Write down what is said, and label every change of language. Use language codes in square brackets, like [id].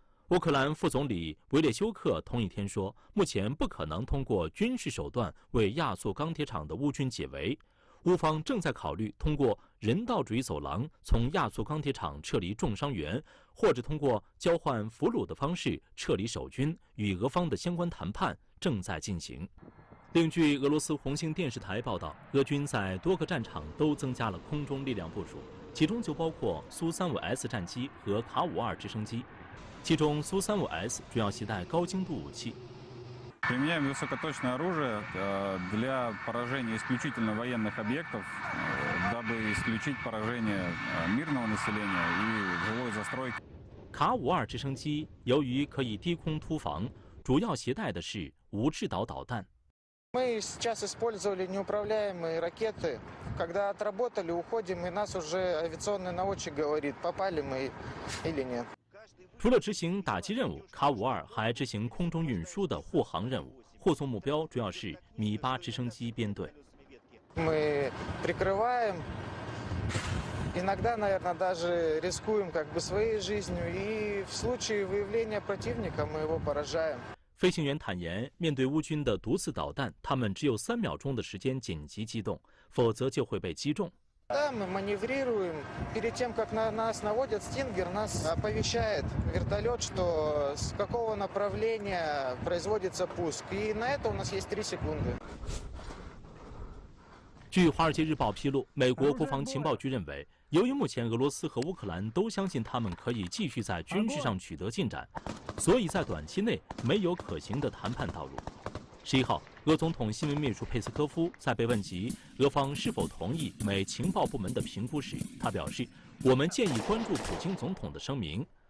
[zh] 乌克兰副总理维列修克同一天说，目前不可能通过军事手段为亚速钢铁厂的乌军解围，乌方正在考虑通过人道主义走廊从亚速钢铁厂撤离重伤员，或者通过交换俘虏的方式撤离守军，与俄方的相关谈判正在进行。另据俄罗斯红星电视台报道，俄军在多个战场都增加了空中力量部署，其中就包括苏-35S 战机和卡-52直升机，其中苏-35S 主要携带高精度武器。 [ru] Применяем высокоточное оружие для поражения исключительно военных объектов, дабы исключить поражение мирного населения и жилой застройки. [zh] 卡-52直升机由于可以低空突防，主要携带的是无制导导弹。 [ru] Мы сейчас использовали неуправляемые ракеты. Когда отработали, уходим, и нас уже авиационный наводчик говорит, попали мы или нет. [zh] 除了执行打击任务，卡-52还执行空中运输的护航任务，护送目标主要是米-8直升机编队。 [ru] Мы прикрываем, иногда, наверное, даже рискуем как бы своей жизнью, и в случае выявления противника мы его поражаем. [zh] 飞行员坦言，面对乌军的毒刺导弹，他们只有3秒钟的时间紧急机动，否则就会被击中。 [ru] Да, мы маневрируем. Перед тем, как на нас наводят стингер, нас оповещает вертолет, что с какого направления производится пуск. И на это у нас есть 3 секунды. [zh] 据《华尔街日报》披露，美国国防情报局认为，由于目前俄罗斯和乌克兰都相信他们可以继续在军事上取得进展，所以在短期内没有可行的谈判道路。 11号，俄总统新闻秘书佩斯科夫在被问及俄方是否同意美情报部门的评估时，他表示，我们建议关注普京总统的声明。